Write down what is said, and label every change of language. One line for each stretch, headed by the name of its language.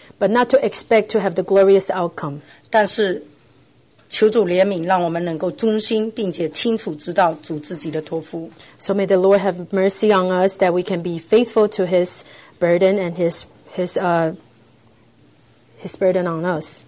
English: But not to expect to have the glorious outcome.
Chinese: 但是求主怜悯，让我们能够忠心，并且清楚知道主自己的托付。
English: So may the Lord have mercy on us that we can be faithful to His burden and His burden on us.